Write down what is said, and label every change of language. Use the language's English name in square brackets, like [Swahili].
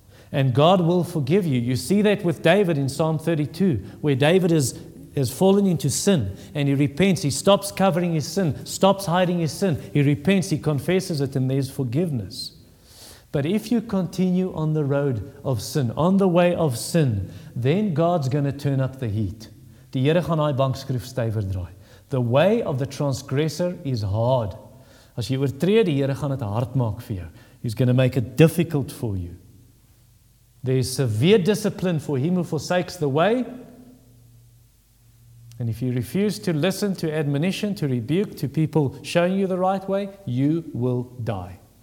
[English] And God will forgive you. You see that with David in Psalm 32, where David has fallen into sin and he repents. He stops covering his sin, stops hiding his sin. He repents, he confesses it, and there's forgiveness. But if you continue on the road of sin, on the way of sin, then God's going to turn up the heat. [Afrikaans] Die Here gaan hy bankskroef stywer draai. [English] The way of the transgressor is hard. [Afrikaans] As jy oortree, die Here gaan dit hard maak vir jou. [English] He's going to make it difficult for you. There is severe discipline for him who forsakes the way. And if you refuse to listen to admonition, to rebuke, to people showing you the right way, you will die.